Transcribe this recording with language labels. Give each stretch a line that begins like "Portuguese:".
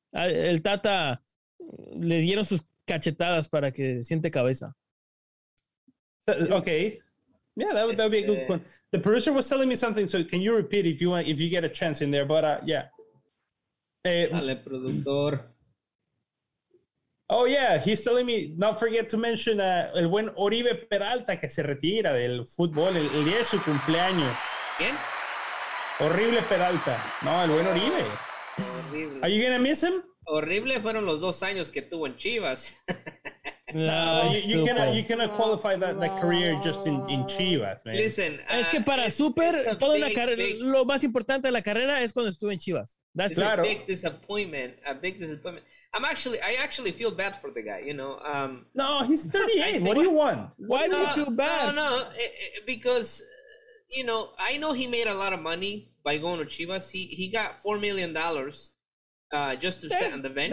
Spanish: El Tata le dieron sus cachetadas para que siente cabeza.
English: Okay. Yeah, that would be a good one. The producer was telling me something, so can you repeat if you get a chance in there? But yeah.
Spanish: Dale, productor.
English: Oh yeah, he's telling me not forget to mention
Spanish: el buen Oribe Peralta que se retira del fútbol el día de su cumpleaños. ¿Quién? Horrible Peralta. No, el buen Oribe. Horrible.
English: Are you gonna miss him?
Spanish: Horrible fueron los 2 años que tuvo en Chivas.
English: No, you cannot qualify that career just in Chivas, man. Listen,
Spanish: es que para Super toda big, la carrera, lo más importante de la carrera es cuando estuve en Chivas.
English: That's claro. A big disappointment. I actually feel bad for the guy, you know. No, he's 38. What do you want? Why do you feel bad? No, because you know, I know he made a lot of money by going to Chivas. He got $4 million just to sit on the bench.